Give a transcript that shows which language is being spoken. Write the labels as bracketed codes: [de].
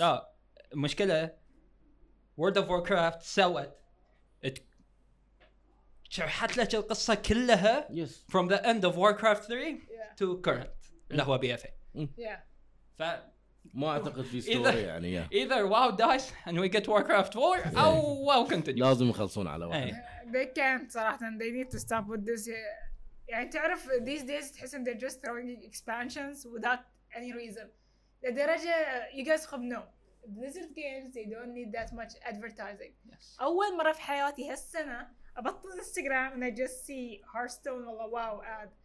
[ar] لا مشكلة. World of Warcraft سوت. شرحت لك القصة كلها [en] yes. from the end of Warcraft 3 yeah. to current [ar] اللي هو [en] BFA [ar] ف ما أعتقد في ستوري يعني [en] yeah. either wow dice and we get Warcraft 4 [ar] أو [en] wow continue [ar] لازم يخلصون على واحد [en] they can't [ar] صراحة [en] they need to stop with this [ar] يعني تعرف [en] these days [ar] تحس ان [en] they're just throwing expansions without any reason [ar] لدرجة [en] you guys have no Blizzard games they don't need that much advertising yes. [ar] أول مرة في حياتي هالسنة أبطل إنستغرام [en] and I just see [ar] Hearthstone ولا واو أد.